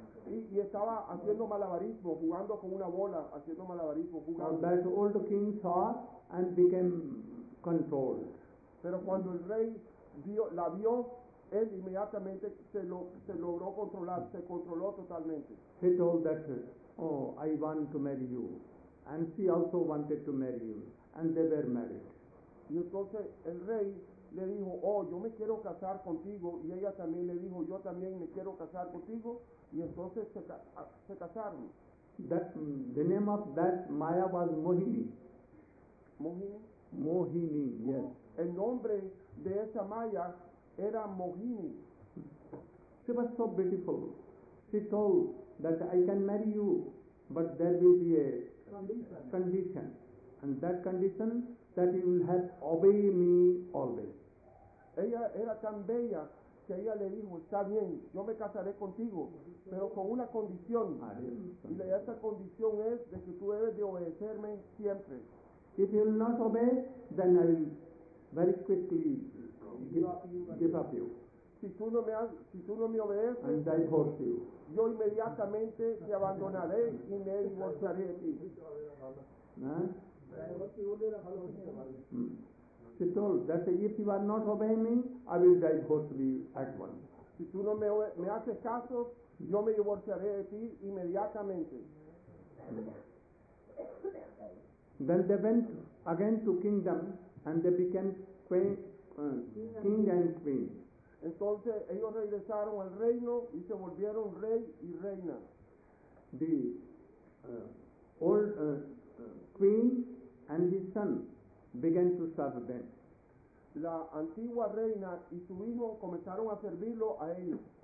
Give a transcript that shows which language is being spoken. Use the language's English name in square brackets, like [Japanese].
[Spanish] Y estaba haciendo malabarismo, jugando con una bola, haciendo malabarismo, jugando. [English] That the old king saw and became controlled. [Spanish] Pero cuando el rey la vio, él inmediatamente se logró controlar, se controló totalmente. [English] He told that, oh, I want to marry you. And she also wanted to marry you. And they were married. [Spanish] Y entonces el rey le dijo, oh, yo me quiero casar contigo. Y ella también le dijo, yo también me quiero casar contigo. Y entonces se casaron. [English] The name of that Maya was Mohini. Mohini? Mohini, yes. [Spanish] El nombre de esa Maya era Mohini. [English] She was so beautiful. She told that I can marry you, but there will be a condition. And that condition that you will have obey me always. [Spanish] Ella era tan bella que ella le dijo, está bien, yo me casaré contigo, pero con una condición. Y esa condición es de que tú debes de obedecerme siempre. [English] If you will not obey, then I will very quickly give up you. [Spanish] Si tú no me obedeces, [English] and divorce you. [Spanish] Yo inmediatamente te abandonaré y me divorciaré de ti. [English] She told that if you are not obeying me, I will divorce you at once. [Spanish] Si tú no me haces caso, yo me divorciaré de ti inmediatamente. [English] Then they went again to kingdom and they became queen. King and queen. [Spanish] Entonces ellos regresaron al reino y se volvieron rey y reina. [English] The old queen and his son began to serve them. [Spanish] La antigua reina y su hijo comenzaron a servirlo a ellos.